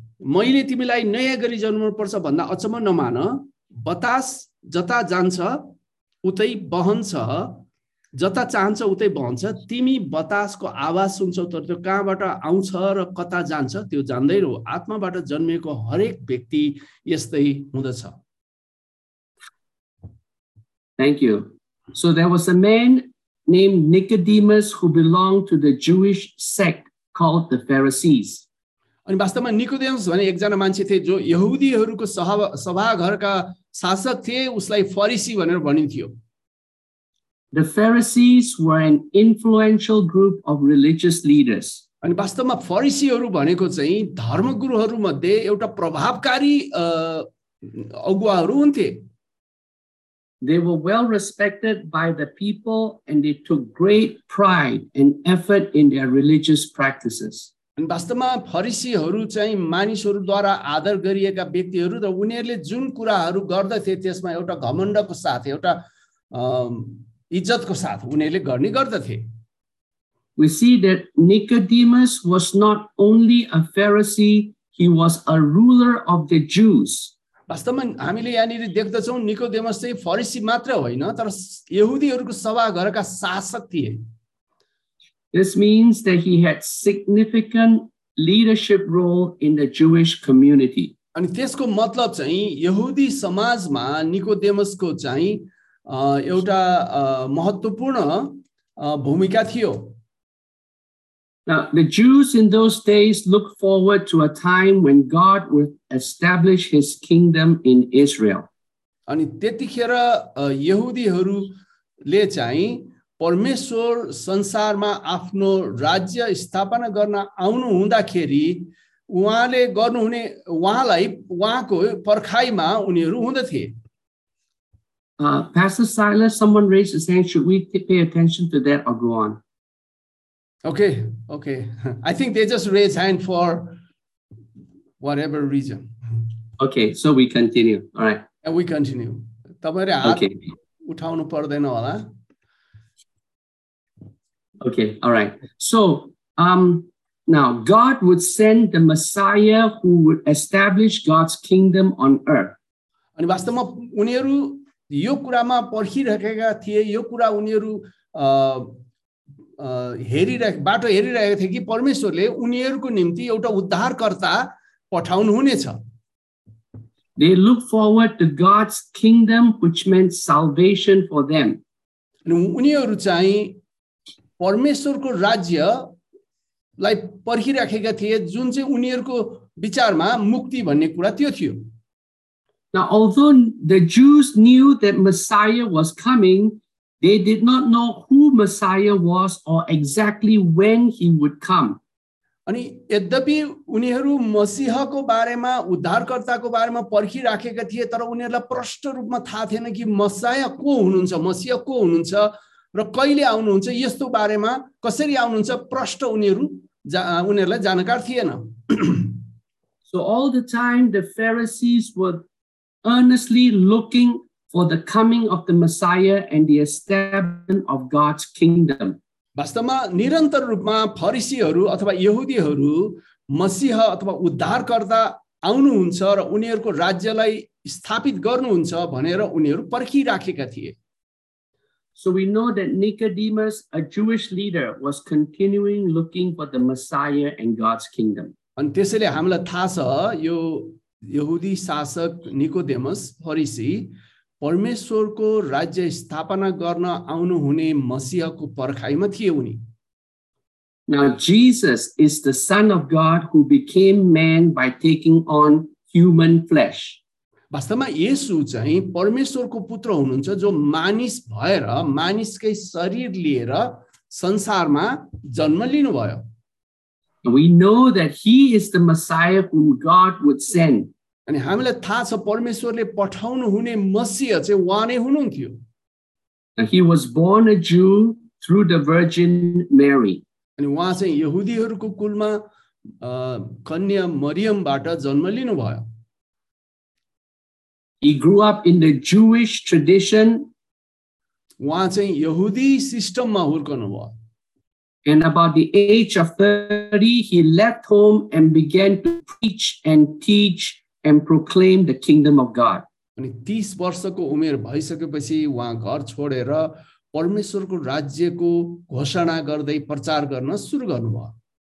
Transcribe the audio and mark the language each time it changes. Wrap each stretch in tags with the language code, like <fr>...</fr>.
<ne>मैले तिमीलाई नयाँ गरी जन्मनुपर्छ भन्दा अचम्म नमान. बतास जता जान्छ उतै बहन्छ, जता चाहन्छ उतै बहन्छ. तिमी बतासको आवाज सुन्छौ तर त्यो कहाँबाट आउँछ र कता जान्छ त्यो जान्दैनौ. आत्माबाट जन्मेको हरेक व्यक्ति यस्तै हुँदछ.</ne> <en>Thank you. So there was a man named Nicodemus who belonged to the Jewish sect called the Pharisees.</en> <ne>अनि वास्तवमा निकोदेमस भने एकजना मान्छे थिए जो यहुदीहरूको सभाघरका शासक थिए, उसलाई फरिसी भनेर भनिन्थ्यो.</ne> <en>The Pharisees were an influential group of religious leaders.</en> <ne>अनि वास्तवमा फरिसीहरू भनेको चाहिँ धर्मगुरुहरू मध्ये एउटा प्रभावकारी अगुवाहरू हुन्थे.</ne> <en>They were well respected by the people and they took great pride and effort in their religious practices.</en> <ne>अनि वास्तवमा फरिसीहरू चाहिँ मानिसहरूद्वारा आदर गरिएका व्यक्तिहरू र उनीहरूले जुन कुराहरू गर्दथे त्यसमा एउटा घमण्डको साथ एउटा इज्जतको साथ उनीहरूले गर्ने गर्दथे.</ne> <en>We see that Nicodemus was not only a Pharisee, he was a ruler of the Jews.</en> <ne>वास्तवमा हामीले यहाँनिर देख्दछौँ निकोदेमस चाहिँ फरिसी मात्र होइन तर यहुदीहरूको सभाघरका शासक थिए.</ne> <en>This means that he had significant leadership role in the Jewish community.</en> <ne>अनि त्यसको मतलब चाहिँ यहुदी समाजमा निकोदेमसको चाहिँ एउटा महत्त्वपूर्ण भूमिका थियो.</ne> <en>Now, the Jews in those days looked forward to a time when God would establish his kingdom in Israel.</en> <ne>अनि त्यतिखेर यहुदीहरूले चाहिँ परमेश्वर संसारमा आफ्नो राज्य स्थापना गर्न आउनु हुँदाखेरि उहाँले गर्नुहुने उहाँलाई उहाँको पर्खाइमा उनीहरू हुँदथे.</ne> <en>Pastor Silas, someone raised his hand. Should we pay attention to that or go on? Okay. I think they just raised hand for whatever reason. Okay, so we continue. All right. And we continue.</en> <ne>तपाईंले हात उठाउनु पर्दैन होला.</ne> <en>Okay, all right. So, now God would send the Messiah who would establish God's kingdom on earth.</en> <ne>अनि वास्तवमा उनीहरू यो कुरामा पर्खिरहेका थिए. यो कुरा उनीहरू बाटो हेरिरहेका थिए कि परमेश्वरले उनीहरूको निम्ति एउटा उद्धारकर्ता पठाउनुहुनेछ.</ne> <en>They look forward to God's kingdom, which meant salvation for them.</en> <ne>उनीहरू चाहिँ परमेश्वरको राज्यलाई पर्खिराखेका थिए जुन चाहिँ उनीहरूको विचारमा मुक्ति भन्ने कुरा त्यो थियो.</ne> <en>Now, although the Jews knew that Messiah was coming, they did not know who Messiah was or exactly when he would come.</en> <ne>अनि यद्यपि उनीहरू मसीहको बारेमा उद्धारकर्ताको बारेमा पर्खिराखेका थिए तर उनीहरूलाई प्रष्ट रूपमा थाहा थिएन कि मसीहा को हुनुहुन्छ, मसीहा को हुनुहुन्छ र कहिले आउनुहुन्छ, यस्तो बारेमा कसरी आउनुहुन्छ प्रष्ट उनीहरूलाई जानकार थिएन.</ne> <en>So all the time the Pharisees were earnestly looking for the coming of the Messiah and the establishment of God's kingdom.</en> <ne>वास्तवमा निरन्तर रूपमा फरिसीहरू अथवा यहुदीहरू मसीह अथवा उद्धारकर्ता आउनुहुन्छ र उनीहरूको राज्यलाई स्थापित गर्नुहुन्छ भनेर उनीहरू पर्खिराखेका थिए.</ne> <en>So we know that Nicodemus, a Jewish leader, was continuing looking for the Messiah and God's kingdom.</en> <ne>अनि त्यसैले हामीलाई थाहा छ यो यहुदी शासक निकोदेमस फरिसी परमेश्वरको राज्य स्थापना गर्न आउनु हुने मसीहको पर्खाइमा थिए उनी.</ne> <en>Now Jesus is the Son of God who became man by taking on human flesh.</en> <ne>वास्तवमा येशु चाहिँ परमेश्वरको पुत्र हुनुहुन्छ जो मानिस भएर मानिसकै शरीर लिएर संसारमा जन्म लिनुभयो.</ne> <en>We know that he is the Messiah whom God would send.</en> <ne>अनि हामीलाई थाहा छ परमेश्वरले पठाउनु हुने मसीह चाहिँ उहाँ नै हुनुहुन्थ्यो.</ne> <en>He was born a Jew through the Virgin Mary.</en> <ne>अनि उहाँ चाहिँ यहुदीहरूको कुलमा कन्या मरियमबाट जन्म लिनुभयो.</ne> <en>He grew up in the Jewish tradition.</en> <ne>उहाँ चाहिँ यहुदी सिस्टममा हुर्कनु भयो.</ne> <en>And about the age of 30, he left home and began to preach and teach and proclaim the kingdom of God.</en> <ne>अनि 30 वर्षको उमेर भइसकेपछि उहाँ घर छोडेर परमेश्वरको राज्यको घोषणा गर्दै प्रचार गर्न सुरु गर्नुभयो.</ne>